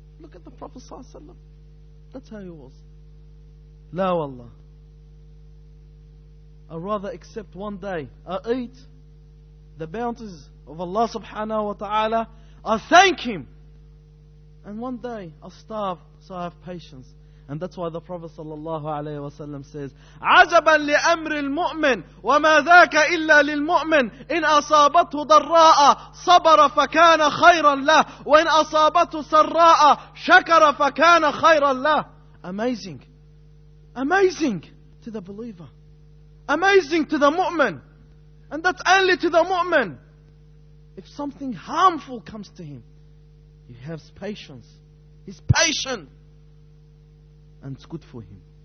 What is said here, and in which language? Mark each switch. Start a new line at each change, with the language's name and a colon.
English: Look at the Prophet sallallahu alayhi wa sallam. That's how he was.
Arabic: La wallah.
English: I'd rather accept one day, I eat the bounties of Allah subhanahu wa ta'ala, I thank Him, and one day I starve so I have patience. And that's why the Prophet sallallahu alayhi wa sallam says,
Arabic: عَجَبًا لِأَمْرِ الْمُؤْمِنِ وَمَا ذَاكَ إِلَّا لِلْمُؤْمِنِ إِنْ أَصَابَتْهُ ضَرَّاءَ صَبَرَ فَكَانَ خَيْرًا لَهُ وَإِنْ أَصَابَتْهُ سَرَّاءَ شَكَرَ فَكَانَ خَيْرًا لَهُ.
English: Amazing. Amazing to the believer. Amazing to the mu'min. And that's only to the mu'min. If something harmful comes to him, he has patience. He's patient. And it's good for him.